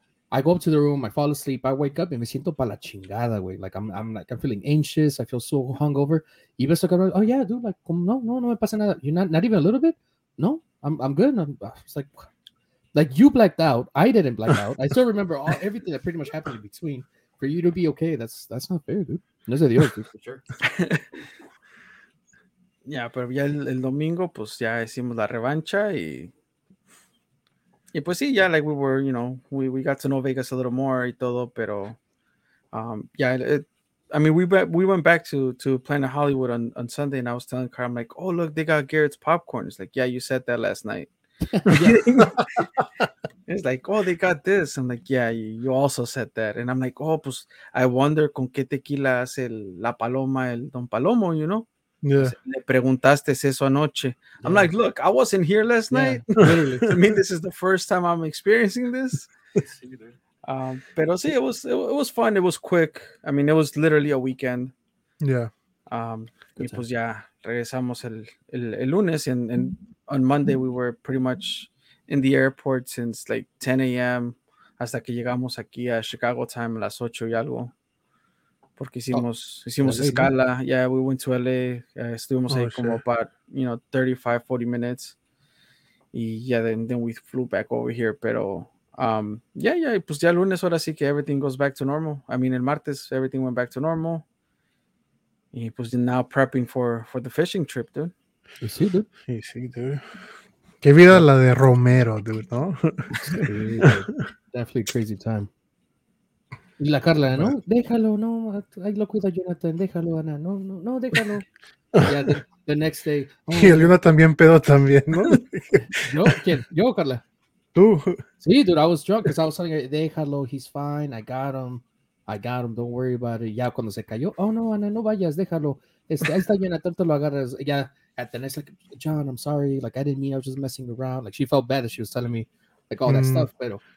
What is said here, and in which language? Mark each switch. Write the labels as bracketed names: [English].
[English] I go up to the room, I fall asleep, I wake up, and [Spanish] me siento pa' la chingada, güey, [English] like, I'm feeling anxious, I feel so hungover, [Spanish] y beso que, [English] oh, yeah, dude, like, [Spanish] no me pasa nada, [English] you're not even a little bit? No, I'm good, it's like, like, you blacked out. I didn't black out. I still remember everything that pretty much happened in between. For you to be okay, that's not fair, dude. [Spanish] No es de Dios, dude, [English] for sure. Yeah, [Spanish] pero ya el domingo, pues ya hicimos la revancha. Y pues sí, [English] yeah, like, we were, you know, we got to know Vegas a little more [Spanish] y todo, pero, [English] yeah, we went back to Planet Hollywood on Sunday, and I was telling Carl, I'm like, oh, look, they got Garrett's popcorn. It's like, yeah, you said that last night. It's like, oh, they got this. I'm like, yeah, you also said that. And I'm like, oh, [Spanish] pues, [English] I wonder [Spanish] con qué tequila hace la paloma el Don Palomo, [English] you know? Yeah. [Spanish] Le preguntaste eso anoche. [English] Yeah. I'm like, look, I wasn't here last night. Literally. I mean, this is the first time I'm experiencing this. [Spanish] Pero sí, [English] it was fun. It was quick. I mean, it was literally a weekend. [Spanish] Y pues ya regresamos el lunes, [English] and on Monday we were pretty much in the airport since like 10 a.m. [Spanish] hasta que llegamos aquí a [English] Chicago time, [Spanish] las 8 y algo. Porque hicimos escala. [English] Yeah, we went to LA. [Spanish] Estuvimos ahí como [English] about, you know, 35, 40 minutes. [Spanish] Y ya, [English] then we flew back over here. [Spanish] Pero, y pues ya lunes, ahora sí que [English] everything goes back to normal. I mean, [Spanish] el martes, [English] everything went back to normal. [Spanish] Y pues [English] now prepping for the fishing trip, dude. [Spanish] Sí, dude. Qué vida la de Romero, [English] dude, [Spanish] ¿no? [English] Definitely crazy time. [Spanish] Y la Carla, ¿no? Bueno. Déjalo, no, ahí lo cuida Jonathan, déjalo, Ana, no, déjalo. Ya, [English] the next day. [Spanish] Oh. Y el Luna también pedo también, ¿no? ¿Yo? ¿Quién? ¿Yo, Carla? Tú. [English] Sí, dude, I was drunk because I was telling her, [Spanish] déjalo, [English] he's fine, I got him, don't worry about it. [Spanish] Ya cuando se cayó, oh no, Ana, no vayas, déjalo. Ahí está Jonathan, te lo agarras. Ya, [English] at the next, like, John, I'm sorry, like, I didn't mean, I was just messing around. Like, she felt bad that she was telling me, like, all that stuff, [Spanish] pero...